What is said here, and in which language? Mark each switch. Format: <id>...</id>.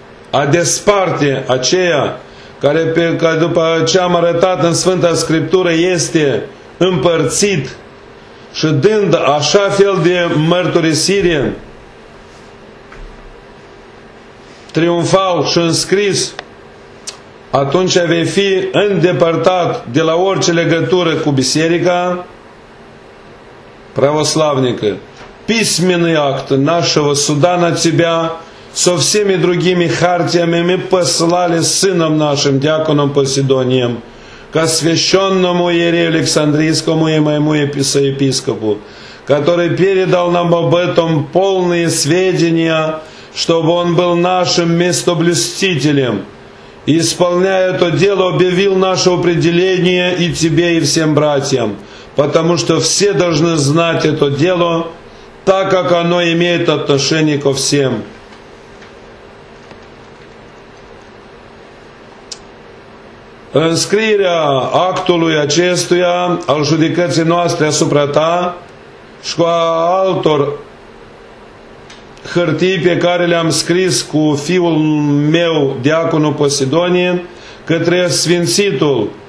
<ro>a desparte aceea care, după ce am arătat în Sfânta Scriptură, este împărțit și dând așa fel de mărturisire triumfal și înscris, atunci vei fi îndepărtat de la orice legătură cu Biserica Pravoslavnică.</ro> <ru>Письменный акт нашего суда на тебя со всеми другими хартиями мы послали сыном нашим, диаконом Посейдонием, к освященному иерею Александрийскому и моему епископу, который передал нам об этом полные сведения, чтобы он был нашим местоблюстителем, и, исполняя то дело, объявил наше определение и тебе, и всем братьям, потому что все должны знать это дело, так как оно имеет отношение ко всем.</ru> <ro>Înscrierea actului acestuia, al judecății noastre asupra ta și cu altor hârtii pe care le-am scris cu fiul meu, diaconul Posidonie, către Sfințitul</ro>